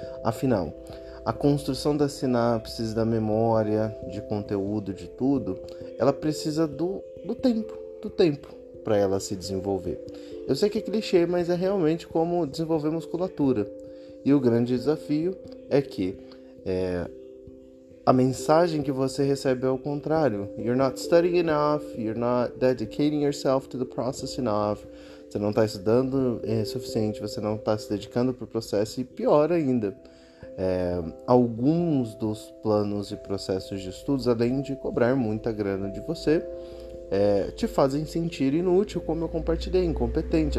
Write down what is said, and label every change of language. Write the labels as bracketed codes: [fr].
[pt] Afinal, a construção das sinapses, da memória, de conteúdo, de tudo, ela precisa do tempo para ela se desenvolver. Eu sei que é clichê, mas é realmente como desenvolver musculatura. E o grande desafio é que a mensagem que você recebe é o contrário. [en] You're not studying enough, you're not dedicating yourself to the process enough. [pt] Você não está estudando suficiente, você não está se dedicando para o processo, e pior ainda, alguns dos planos e processos de estudos, além de cobrar muita grana de você, te fazem sentir inútil, como eu compartilhei, incompetente.